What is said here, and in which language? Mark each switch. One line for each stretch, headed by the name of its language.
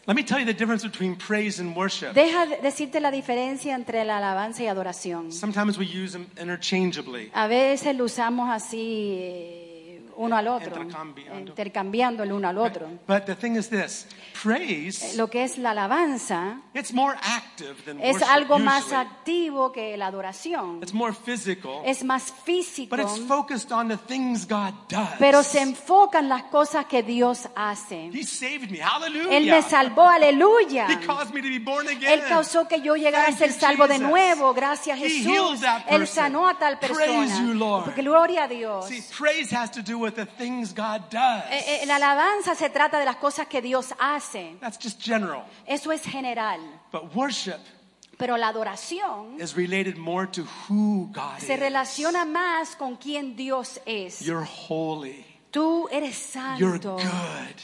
English: Let me tell you the difference between praise and worship.
Spanish: Deja decirte la diferencia entre la alabanza y adoración.
English: Sometimes we use them interchangeably.
Spanish: A veces lo usamos así uno al otro, intercambiando el uno al otro. Right.
English: But the thing is this, praise,
Spanish: lo que es la alabanza,
English: it's more active than worship,
Spanish: es algo más
English: usually
Spanish: activo que la adoración.
English: It's more physical,
Spanish: es más físico.
English: But it's focused on the things God does.
Spanish: Pero se enfocan las cosas que Dios hace.
English: He saved me, hallelujah.
Spanish: Él me salvó, aleluya.
English: He caused me to be born again.
Spanish: Él causó que yo llegara
English: thank
Spanish: a ser salvo
English: Jesus
Spanish: de nuevo, gracias a Jesús.
English: He healed that person.
Spanish: Él sanó a tal persona.
English: Praise you, Lord.
Spanish: Porque gloria a Dios.
English: See, praise has to do with the things God does.
Spanish: La alabanza se trata de las cosas que Dios hace.
English: That's just general.
Spanish: Eso es general.
English: But worship,
Spanish: Pero la adoración
English: is related more to who God
Spanish: se relaciona más con quién Dios es.
English: You're holy.
Spanish: Tú eres santo.
English: You're good.